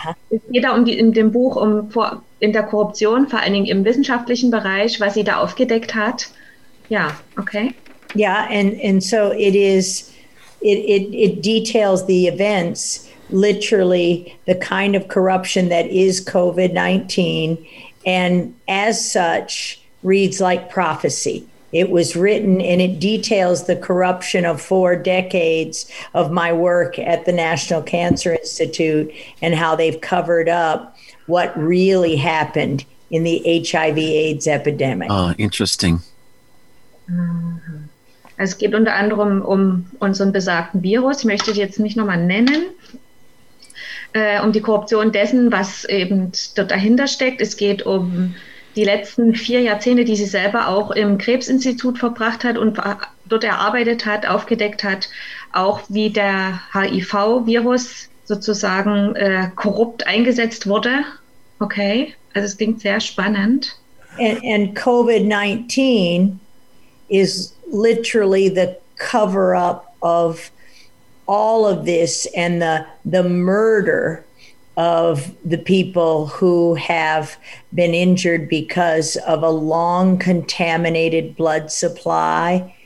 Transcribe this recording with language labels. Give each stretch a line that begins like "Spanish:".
German: Es geht da in dem Buch in der Korruption, vor allen Dingen im wissenschaftlichen Bereich, was sie da aufgedeckt hat.
English: Yeah. Okay. Yeah, and so it is. It details the events, literally the kind of corruption that is COVID-19, and as such. Reads like prophecy. It was written and it details the corruption of four decades of my work at the National Cancer Institute and how they've covered up what really happened in the HIV/AIDS epidemic. Oh, interesting.
German: Es geht unter anderem unseren besagten Virus. Ich möchte es jetzt nicht nochmal nennen. Die Korruption dessen, was eben dort dahinter steckt. Es geht die letzten vier Jahrzehnte, die sie selber auch im Krebsinstitut verbracht hat und dort erarbeitet hat, aufgedeckt hat, auch wie der HIV-Virus sozusagen korrupt eingesetzt wurde. Okay, also es klingt sehr spannend.
English: And COVID-19 is literally the cover-up of all of this and the murder of the people who have been injured because of a long contaminated blood supply